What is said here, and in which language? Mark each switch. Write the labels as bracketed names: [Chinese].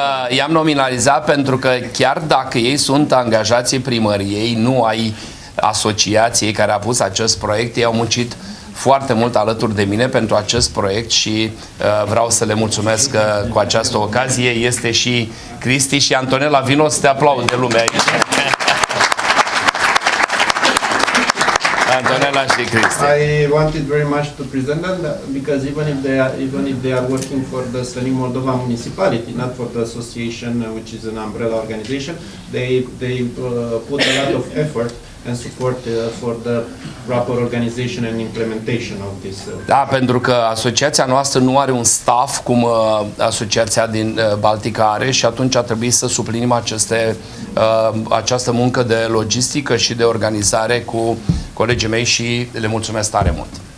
[Romanian] I-am nominalizat pentru că chiar dacă ei sunt angajații primăriei, nu ai asociației care a pus acest proiect, ei au muncit foarte mult alături de mine pentru acest proiect și vreau să le mulțumesc cu această ocazie. Este și Cristi și Antonella, vino să te aplaude lumea aici. Antonella și Cristi. [English] I wanted very much to present them because even if they are working for the SLANIC Moldova municipality, not for the association, which is an umbrella organization, they put a lot of effort and support for the proper organization and implementation of this. [Romanian] Da, pentru că asociația noastră nu are un staff cum asociația din Baltica are și atunci a trebuit să suplinim această muncă de logistică și de organizare cu colegii mei și le mulțumesc tare mult.